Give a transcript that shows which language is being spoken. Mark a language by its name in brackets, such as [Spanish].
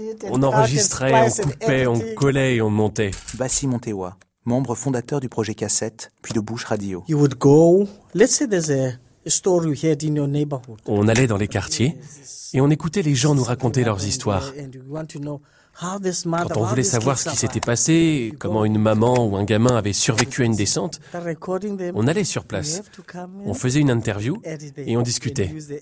[French] On enregistrait, on coupait, on collait et on montait. Bassi Montewa, membre fondateur du projet Cassette, puis de Bouche Radio. [English] You would go. Let's say there's a story you heard in your neighborhood. [French] On allait dans les quartiers et on écoutait les gens nous raconter leurs histoires. Quand on voulait savoir ce qui s'était passé, comment une maman ou un gamin avait survécu à une descente, on allait sur place, on faisait une interview et on discutait.